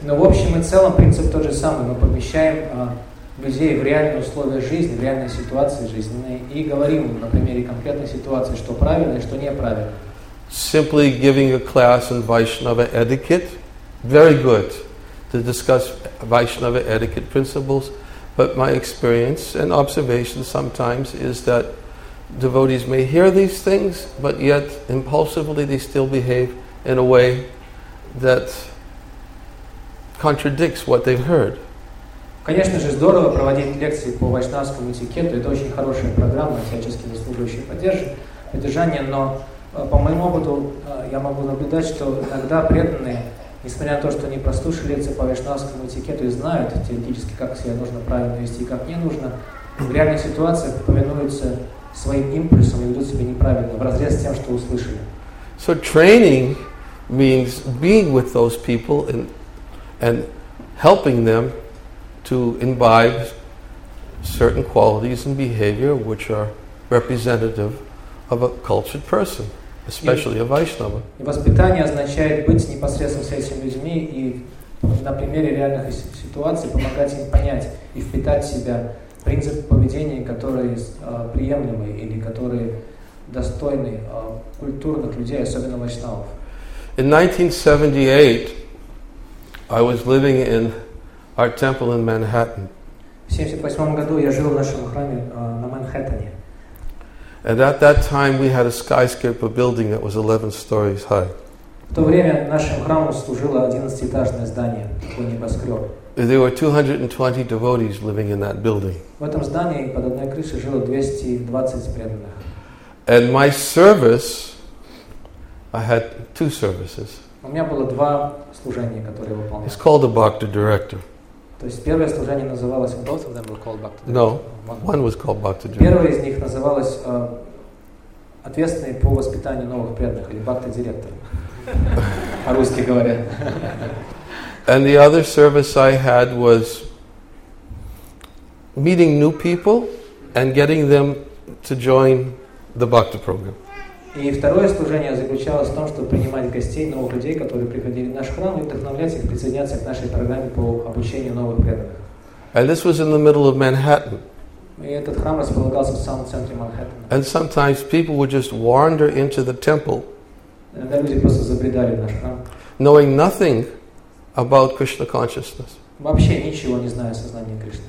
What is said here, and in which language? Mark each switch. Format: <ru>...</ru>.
<ru>Но в общем и целом принцип тот же самый. Мы помещаем людей в реальные условия жизни, в реальные ситуации жизненные, и говорим на примере конкретной ситуации, что правильно и что неправильно.</ru> <en>Simply giving a class in Vaishnava etiquette, very good to discuss Vaishnava etiquette principles, but my experience and observation sometimes is that devotees may hear these things, but yet impulsively they still behave in a way that contradicts what they've heard.</en> <ru>Конечно же, здорово проводить лекции по вайшнавскому этикету. Это очень хорошая программа, всячески заслуживающая поддержания. Но по моему опыту я могу наблюдать, что иногда преданные, несмотря на то, что они прослушали лекции по вайшнавскому этикету и знают теоретически, как себя нужно правильно вести и как не нужно, в реальной ситуации повинуются своим импульсам и ведут себя неправильно, вразрез с тем, что услышали.</ru> <en>So training means being with those people and helping them to imbibe certain qualities and behavior which are representative of a cultured person, especially a Vaishnava.</en> <ru>И воспитание означает быть непосредственно с этими людьми и на примере реальных ситуаций помогать им понять и впитать в себя принципы поведения, которые приемлемы или которые достойны культурных людей, особенно вайшнавов.</ru> <en>In 1978, I was living in our temple in Manhattan.</en> <ru>В 78 году я жил в нашем храме на Манхэттене.</ru> <en>And at that time we had a skyscraper building that was 11 stories high.</en> <ru>В то время нашему храму служило 11-этажное здание, такой небоскреб.</ru> <en>There were 220 devotees living in that building.</en> <ru>В этом здании под одной крышей жило 220 преданных.</ru> <en>And my service, I had two services.</en> <ru>У меня было два служения, которые я выполнял.</ru> <en>It's called a bhakti director.</en> <ru>То есть первое служение называлось...</ru> <en>Both of them were called Bhakti Director. No, one was called Bhakti Director.</en> <ru>Первое из них называлось ответственный по воспитанию новых преданных, или Bhakti Director, по-русски говоря.</ru> <en>And the other service I had was meeting new people and getting them to join the Bhakti program.</en> <ru>И второе служение заключалось в том, чтобы принимать гостей, новых людей, которые приходили в наш храм, и вдохновлять их присоединяться к нашей программе по обучению новых преданных.</ru> <en>And this was in the middle of Manhattan.</en> <ru>И этот храм располагался в самом центре Манхэттена.</ru> <en>And sometimes people would just wander into the temple.</en> <ru>Иногда люди просто забредали в наш храм.</ru> <en>Knowing nothing about Krishna consciousness.</en> <ru>Вообще ничего не зная о сознании Кришны.</ru>